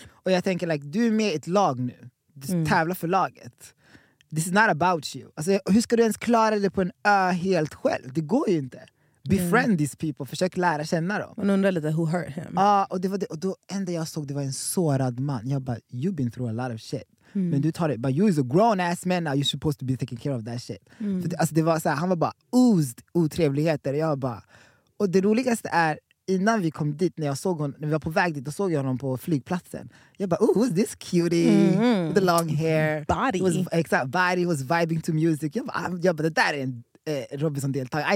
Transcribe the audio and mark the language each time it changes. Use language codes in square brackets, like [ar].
[sv] Och jag tänker like, du är med i ett lag nu. Du tävlar för laget. [en] This is not about you. [sv] Alltså, hur ska du ens klara det på en ö helt själv? Det går ju inte. [en] Befriend these people, [sv] försök lära känna dem. Man undrar lite, [en] who hurt him? [sv] Ja, och det var det, och då enda jag såg, det var en sårad man. Jag bara, [en] you've been through a lot of shit. [sv] Men du tar det, [en] but you is a grown ass man now. You're supposed to be taking care of that shit. [sv] För det, alltså det var så här, han var bara oozed otrevligheter. Jag bara, och det roligaste är, innan vi kom dit, när jag såg honom, när vi var på väg dit, då såg jag honom på flygplatsen. Jag bara, [en] ooh, who's this cutie? With the long hair. Body. Was, exakt, body was vibing to music. [sv] Jag bara, det där är en Robinson deltar.